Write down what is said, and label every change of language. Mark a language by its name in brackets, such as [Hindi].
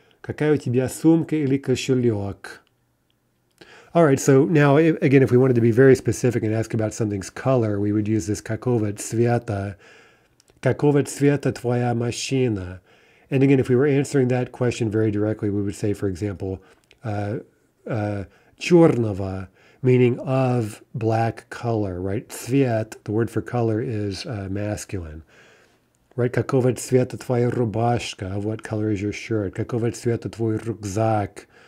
[Russian] Какая у тебя сумка или кошелек? [English] All right, so now, again, if we wanted to be very specific and ask about something's color, we would use this [Russian] какого цвета твоя машина? [English] And again, if we were answering that question very directly, we would say, for example, черного, meaning of black color, right? Цвет, the word for color, is masculine, right? [Russian] Какого цвета твоя рубашка? [English] Of what color is your shirt? [Russian] Какого цвета твой рюкзак?